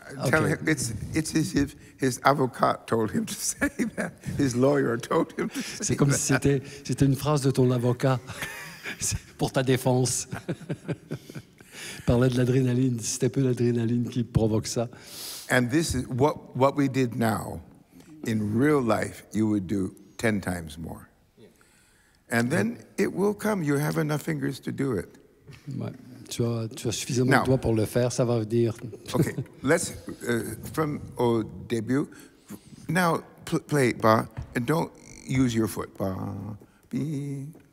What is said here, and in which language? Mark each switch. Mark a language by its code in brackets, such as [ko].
[en] Tell him it's as if his avocat told him to say that. His lawyer told him to say that. [fr] C'est comme si c'était une phrase de ton avocat pour ta défense. Parlait de l'adrénaline, c'était peu l'adrénaline qui provoque ça. [en] And this is what we did now in real life, you would do 10 times more. And then it will come, you have enough fingers to do it. [fr] Ouais. Tu as suffisamment de doigts pour le faire, ça va venir. [en] OK, let's, from [fr] au début, [en] now play, ba, and don't use your foot. Ba, bi.